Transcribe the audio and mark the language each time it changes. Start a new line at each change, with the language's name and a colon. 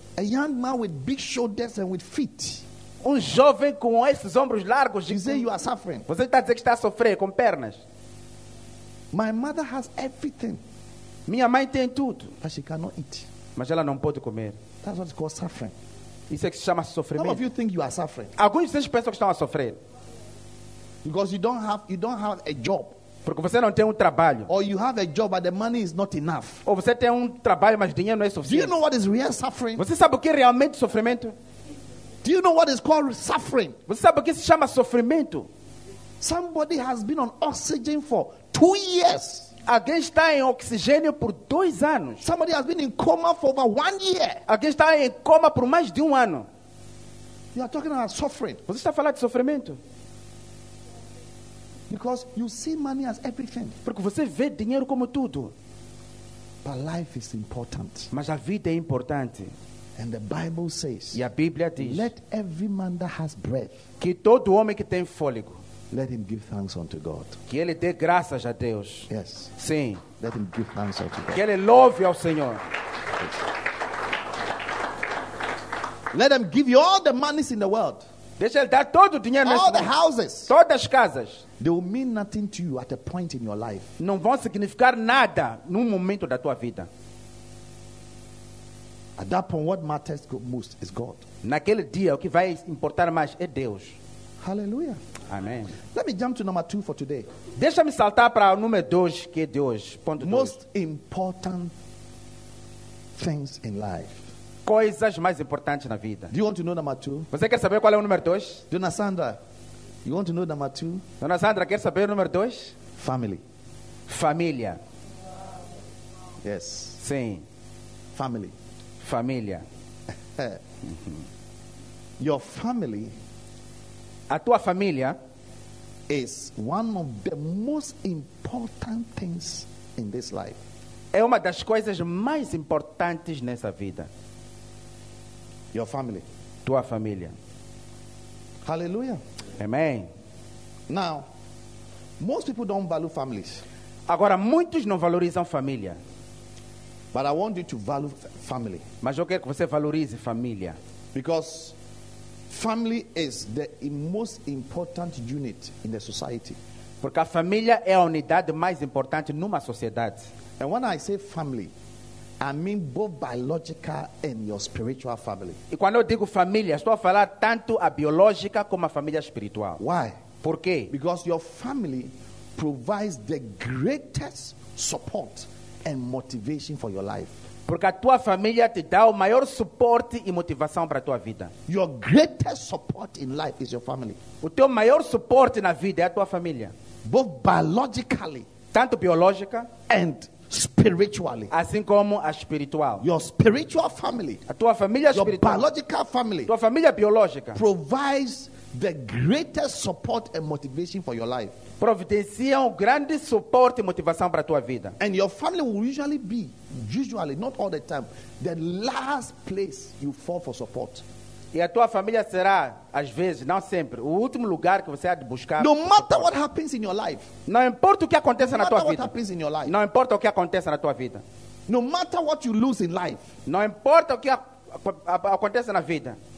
English: A young man with big shoulders and with feet.
Portuguese: Um jovem com esses ombros largos.
English: He said, you are suffering.
Portuguese: Você está a dizer que está a sofrer com pernas.
English: My mother has everything.
Portuguese: Minha mãe tem tudo.
English: But she cannot eat.
Portuguese: Mas ela não pode comer.
English: That's what's called suffering.
Portuguese: Isso é que se chama sofrimento.
English: Some of you think you are suffering.
Portuguese: Alguns de vocês pensam que estão a sofrer.
English: Because you don't have a job.
Portuguese: Porque você não tem trabalho.
English: Or you have a job but the money is not enough.
Portuguese: Ou você tem trabalho mas dinheiro não é suficiente.
English: Do you know what is real suffering?
Portuguese: Você sabe o que é realmente sofrimento?
English: Do you know what is called suffering?
Portuguese: Você sabe o que se chama sofrimento?
English: Somebody has been on oxygen for 2 years.
Portuguese: Alguém está em oxigênio por 2 anos.
English: Somebody has been in coma for over 1 year.
Portuguese: Alguém está em coma por mais de 1 ano.
English: You are talking about suffering.
Portuguese: Você está falando de sofrimento?
English: Because you see money as everything.
Portuguese: Porque você vê dinheiro como tudo.
English: But life is important.
Portuguese: Mas a vida é importante.
English: And the Bible says.
Portuguese: E a Bíblia diz.
English: Let every man that has breath.
Portuguese: Que todo homem que tem fôlego.
English: Let him give thanks unto God.
Portuguese: Que ele dê graças a Deus.
English: Yes.
Portuguese: Sim.
English: Let him give thanks unto God.
Portuguese: Que ele louve ao Senhor.
English: Yes. Let him give you all the monies in the world.
Portuguese: Deixa ele dar todo o dinheiro.
English: All the houses,
Portuguese: todas as casas,
English: they will mean nothing to you at a point in your life.
Portuguese: Não vão significar nada num momento da tua vida.
English: At that point, what matters most is God.
Portuguese: Naquele dia, o que vai importar mais é Deus. Hallelujah. Amen.
English: Let me jump to number 2 for today.
Portuguese: Deixa-me saltar para o número 2 que é de hoje. Ponto
English: most
Portuguese: dois.
English: Important things in life.
Portuguese: Coisas mais importantes na vida.
English: Do you want to know number 2?
Portuguese: Você quer saber qual é o número 2?
English: Dona Sandra, you want to know number 2?
Portuguese: Dona Sandra, quer saber o número 2?
English: Family.
Portuguese: Família.
English: Yes.
Portuguese: Sim.
English: Family.
Portuguese: Família.
English: Your family.
Portuguese: A tua família
English: is one of the most important things in this life.
Portuguese: É uma das coisas mais importantes nessa vida.
English: Your family.
Portuguese: Tua família. Hallelujah. Amen.
English: Now, most people don't value families.
Portuguese: Agora, muitos não valorizam família.
English: But I want you to value family.
Portuguese: Mas eu quero que você valorize família.
English: Because family is the most important unit in the society.
Portuguese: Porque a família é a unidade mais importante numa sociedade.
English: And when I say family, I mean both biological and your spiritual family.
Portuguese: E quando eu digo família, estou a falar tanto a biológica como a família espiritual.
English: Why?
Portuguese: Por quê?
English: Because your family provides the greatest support and motivation for your life.
Portuguese: Porque a tua família te dá o maior suporte e motivação para a tua vida.
English: Your greatest support in life is your family.
Portuguese: O teu maior suporte na vida é a tua família.
English: Both biologically,
Portuguese: tanto biológica,
English: and spiritually,
Portuguese: assim como a espiritual.
English: Your spiritual family,
Portuguese: a tua família
English: your
Portuguese: espiritual,
English: your biological family,
Portuguese: tua família biológica,
English: provides the greatest support and motivation for your life.
Portuguese: Providencia um grande suporte e motivação para a tua vida.
English: And your family will usually be, usually, not all the time, the last place you fall for support.
Portuguese: E a tua família será, às vezes, não sempre, o último lugar que você há de buscar.
English: No matter what happens in your life.
Portuguese: Não importa o que aconteça na tua vida.
English: What happens in your life.
Portuguese: Não importa o que aconteça na tua vida.
English: No matter what you lose in life.
Portuguese: Não importa o que aconteça na vida.